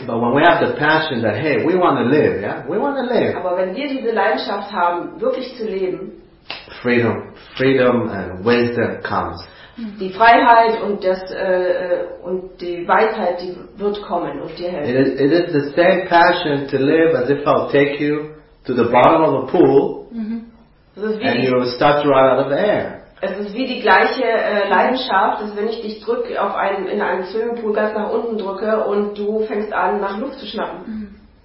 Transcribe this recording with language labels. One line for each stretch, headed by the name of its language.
English: But when we have the passion that hey, we want to live, yeah, we want to live.
German: Aber wenn wir diese Leidenschaft haben, wirklich zu leben.
English: Freedom and wisdom comes.
German: Die Freiheit und und die Weisheit, die wird kommen und dir helfen.
English: It is the same passion to live as if I'll take you to the bottom of a pool. And you start to run out of air.
German: Es ist wie die gleiche Leidenschaft, dass wenn ich dich drücke auf einen in einem Swimmingpool ganz nach unten drücke und du fängst an nach Luft zu schnappen.